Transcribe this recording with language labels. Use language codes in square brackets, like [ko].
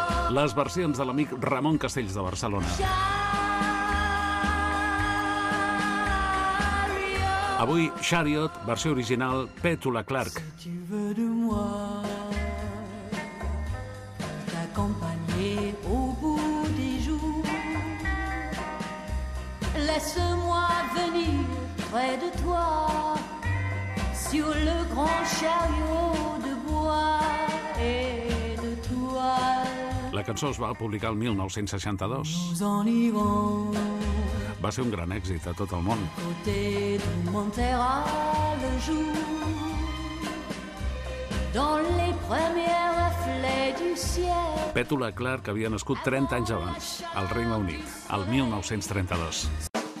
[ca] Les versions de l'amic Ramon Castells de Barcelona. Avui, Chariot, versió original, Petula Clark. [fr] Si tu veux de moi t'accompagner au bout des jours, laisse-moi venir près de toi sur le grand chariot de bois et de toi. [ca] La cançó es va publicar el 1962. Va ser un gran èxit a tot el món. Petula Clark havia nascut 30 anys abans, al Regne Unit, el 1932.